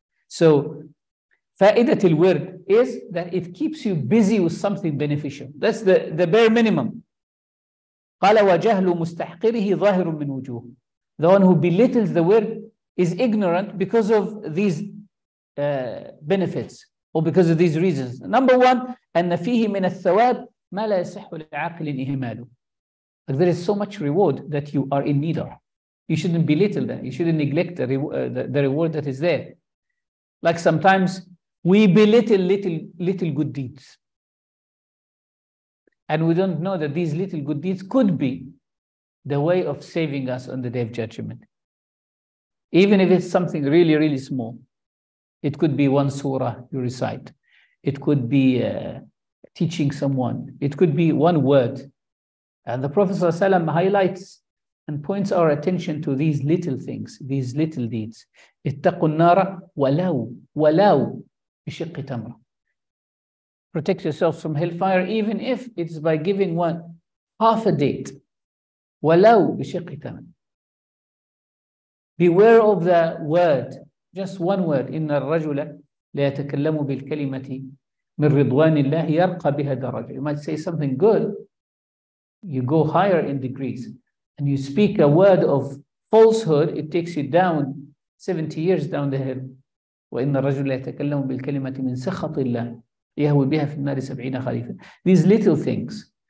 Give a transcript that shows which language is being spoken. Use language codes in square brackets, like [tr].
[en] So fa'idatil wird is that it keeps you busy with something beneficial. That's the bare minimum. [ar] قَالَ وَجَهْلُ مُسْتَحْقِرِهِ ظَاهِرٌ مِّنْ وُجُوهِ. [en] The one who belittles the wird is ignorant because of these benefits, or because of these reasons. Number one, [ar] أَنَّ فِيهِ مِنَ الثَّوَابِ مَا لَا يَسِحُّ لِعَاقِلٍ إِهِمَالُ. [en] Like there is so much reward that you are in need of. You shouldn't belittle that. You shouldn't neglect the reward that is there. Like sometimes we belittle little good deeds. And we don't know that these little good deeds could be the way of saving us on the day of judgment. Even if it's something really, really small. It could be one surah you recite. It could be teaching someone. It could be one word. And the Prophet ﷺ highlights and points our attention to these little things, these little deeds. [ar] اتقوا النار ولو بشق تمر. [en] Protect yourself from hellfire, even if it's by giving one half a date. [ar] ولو بشق تمر. [en] Beware of the word, just one word. [ar] إن الرجل ليتكلم بالكلمة من رضوان الله يرقى بها درجة. [en] You might say something good. You go higher in degrees, and you speak a word of falsehood, it takes you down 70 years down the hill. [ar] وَإِنَّ الرَّجُلَ يَتَكَلَّمُ بِالْكَلِمَةِ مِنْ سَخَطِ اللَّهِ يَهُوِ بِهَا فِي النَّارِ سَبْعِينَ خَلِيفًا. [en] These little things.